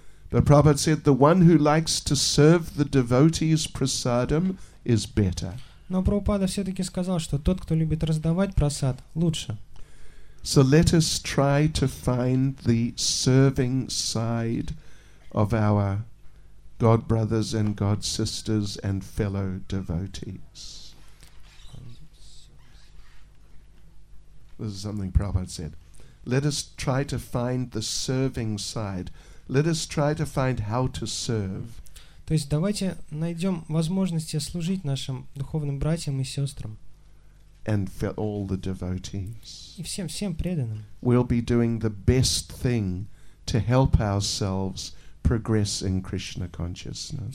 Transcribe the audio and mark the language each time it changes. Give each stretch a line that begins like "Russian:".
English: But Prabhupada said the one who likes to serve the devotees prasadam is better.
Russian: Но Прабхупада все-таки сказал, что тот, кто любит раздавать прасад, лучше.
English: So let us try to find the serving side of our God brothers and God sisters and fellow devotees. This is something Prabhupada said. Let us try to find the serving side. Let us try to find how to serve.
Russian: То есть давайте найдем возможности служить нашим духовным братьям и сестрам.
English: And for all the devotees.
Russian: И всем преданным.
English: We'll be doing the best thing to help ourselves progress in Krishna consciousness.